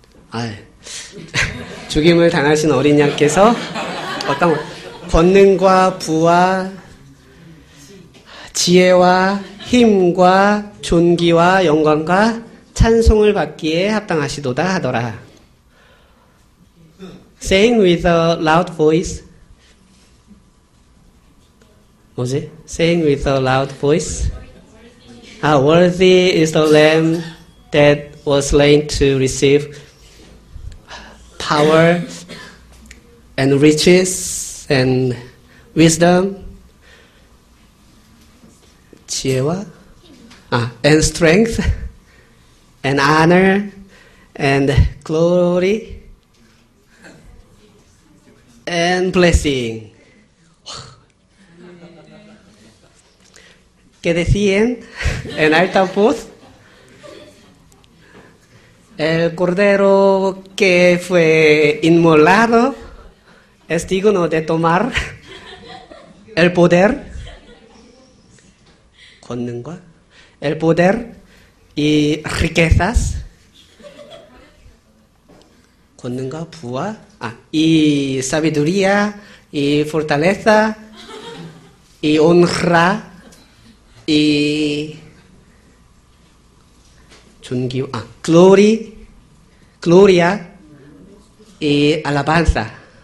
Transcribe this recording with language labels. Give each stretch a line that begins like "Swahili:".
Korean: 아, 죽임을 당하신 어린 양께서 어떤 권능과 부와 지혜와 힘과 존귀와 영광과 찬송을 받기에 합당하시도다 하더라.
English: Saying with a loud voice.
Korean: 뭐지?
English: Saying with a loud voice. Worthy is the Lamb that was slain to receive power and riches and wisdom,
Korean: 지혜와
English: and strength and honor and glory and blessing.
Spanish: Que decían en alta voz, el cordero que fue inmolado es digno de tomar El poder,
Korean: 권능과
Spanish: El poder y riquezas,
Korean: 권능과 부와 아,
Spanish: y sabiduría y fortaleza y honra y
Korean: 존귀, 아,
English: glory,
Spanish: gloria y alabanza.